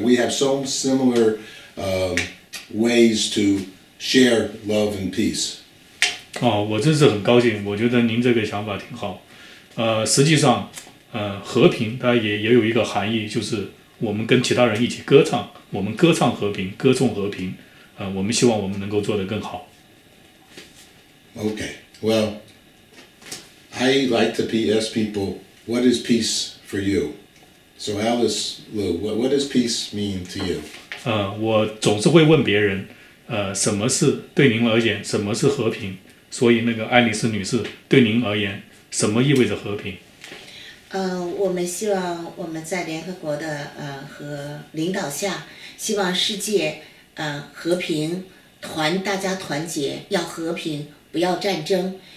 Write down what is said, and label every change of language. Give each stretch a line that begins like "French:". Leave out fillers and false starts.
English: We have so similar ways to share love and peace.
Chinese: 哦，我真是很高兴。我觉得您这个想法挺好。实际上，和平它也有一个含义，就是我们跟其他人一起歌唱，我们歌唱和平，歌颂和平。我们希望我们能够做得更好。
English: Okay. Well, I like to ask people, what is peace for you? So Alice Lou, what does peace mean to you?
Chinese: 我总是会问别人，什么是对您而言，什么是和平？所以那个爱丽丝女士，对您而言，什么意味着和平？我们希望我们在联合国的和领导下，希望世界和平，大家团结，要和平，不要战争。